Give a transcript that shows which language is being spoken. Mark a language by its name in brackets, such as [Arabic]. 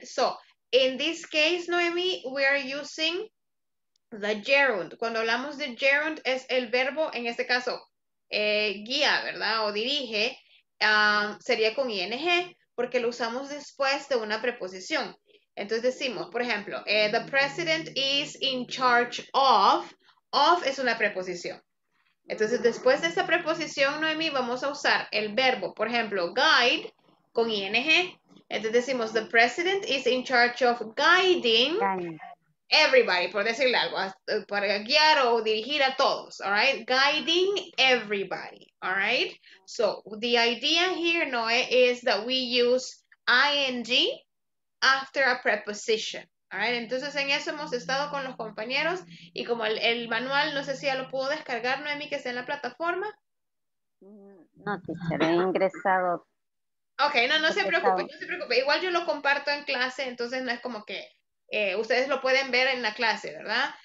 [English] So, in this case, Noemi, we are using the gerund. [Spanish] Cuando hablamos de gerund, es el verbo en este caso. Guía, ¿verdad? O dirige, sería con ing, porque lo usamos después de una preposición. Entonces decimos, por ejemplo, [English] the president is in charge of [Spanish] es una preposición. Entonces después de esta preposición, Noemi, vamos a usar el verbo, por ejemplo, guide con ing, Entonces decimos, [English] the president is in charge of guiding everybody, [Spanish] por decirle algo, para guiar o dirigir a todos, [English] all right? Guiding everybody, all right? So the idea here, Noe, is that we use ing after a preposition, all right? [Spanish] Entonces en eso hemos estado con los compañeros y como el manual, no sé si ya lo pudo descargar, Noemi, que está en la plataforma. No, teacher, he ingresado. Ok, no se preocupe, no se preocupe. Igual yo lo comparto en clase, entonces no es como que ustedes lo pueden ver en la clase, ¿verdad?